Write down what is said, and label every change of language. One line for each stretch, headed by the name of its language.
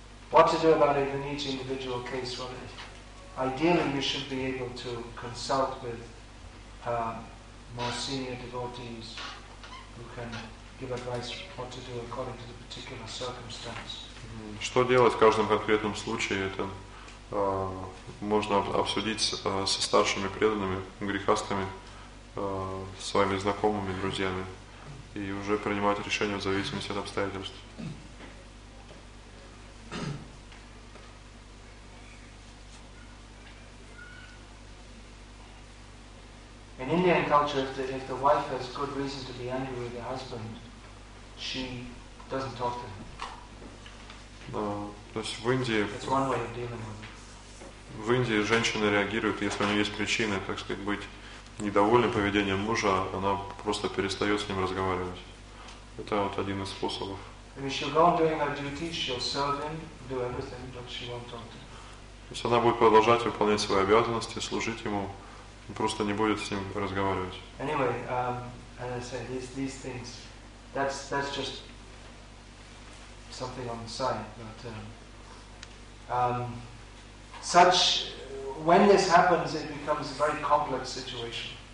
English: What to do about it in each individual case? Well, ideally, you should be able to consult with more senior devotees who can give advice what to do according to the particular circumstance.
Russian: Что делать в каждом конкретном случае? Это можно обсудить со старшими преданными, грехастами, своими знакомыми, друзьями, и уже принимать решение в зависимости от обстоятельств.
English: In Indian culture, if the wife has good reason to be angry with the husband, she doesn't talk to him.
Russian: То есть в Индии, женщины реагируют, если у нее есть причины, так сказать, быть недовольны поведением мужа, она просто перестает с ним разговаривать. Это вот один из способов. То есть она будет продолжать выполнять свои обязанности, служить ему, просто не будет с ним разговаривать.
English: Anyway, as I said, these things, that's just something on the side, but such when this happens, it becomes a very complex situation.